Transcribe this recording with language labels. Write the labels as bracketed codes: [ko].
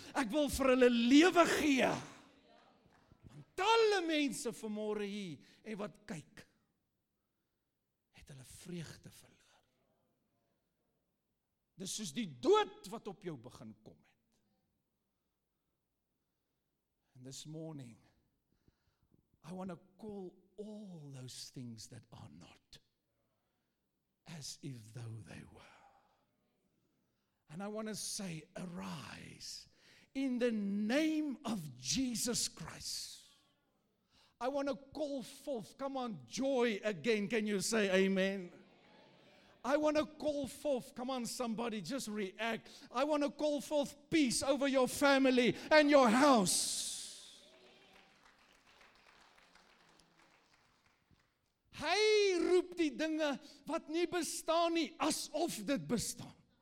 [af] Ek wil vir hulle lewe gee. Want alle mense vanmôre hier en wat kyk, het hulle vreugde verloor. Dis soos die dood wat op jou begin kom. [en] This morning, I want to call all those things that are not as if though they were. And I want to say, arise in the name of Jesus Christ. I want to call forth, come on, joy again. Can you say amen? I want to call forth, come on somebody, just react. I want to call forth peace over your family and your house. [af] Hy roep die dinge wat nie bestaan nie, asof dit bestaan.